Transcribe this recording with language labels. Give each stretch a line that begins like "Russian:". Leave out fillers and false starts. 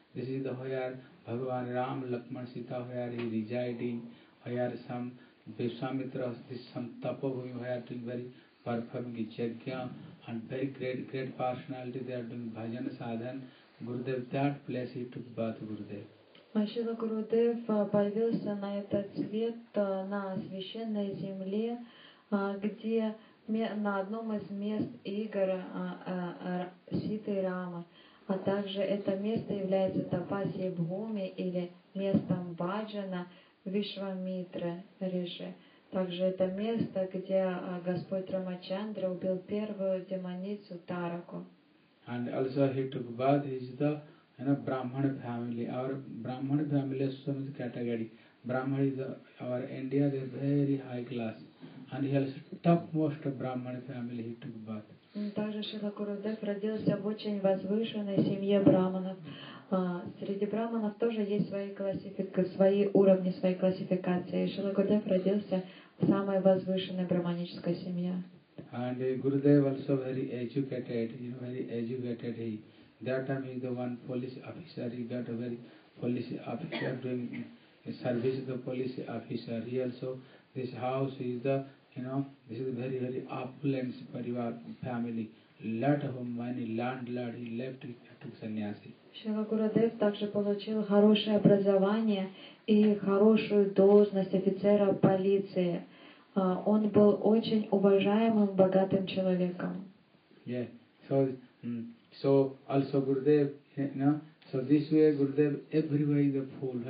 English: This is the where Bhagavan Ram, Lakman, Sita where he residing, where some Vishwamitra, this some tapobhumi where doing very performing yajna and very great personality they are doing bhajan sadhan. Gurudev that place he took birth Gurudev.
Russian: Шрила Гурудев появился на этот свет на священной земле, где на одном из мест игр Ситы Рама, а также это место является Тапаси Бхуми или местом Баджана Вишвамитра Риши. Также это место, где Господь Рамачандра убил первую демоницу Тараку.
English: And also he took bath is the, you know, Brahman family. Our Brahman family is some category. Brahman is our India is very high class. And he has topmost Brahman family he took birth.
Russian: Также Шрила Гурудев родился в очень возвышенной семье Брахманов. Среди Брахманов тоже есть свои классификации. Шрила Гурудев родился в самой возвышенной брахманической семье.
English: And Gurudev also very educated, you know, very educated he. That time he is the one police officer, he got a very police officer doing service of the police officer. He also this house is the, you know, this is a very, very opulent parivar family. Lot of money, landlord, he left to Sannyasi.
Russian: Шрила Гурудев также получил хорошее образование и хорошую должность офицера полиции. Он был очень уважаемым, богатым человеком.
English: Yeah, so also Gurudev, you know, so this way Gurudev, everywhere is a fool.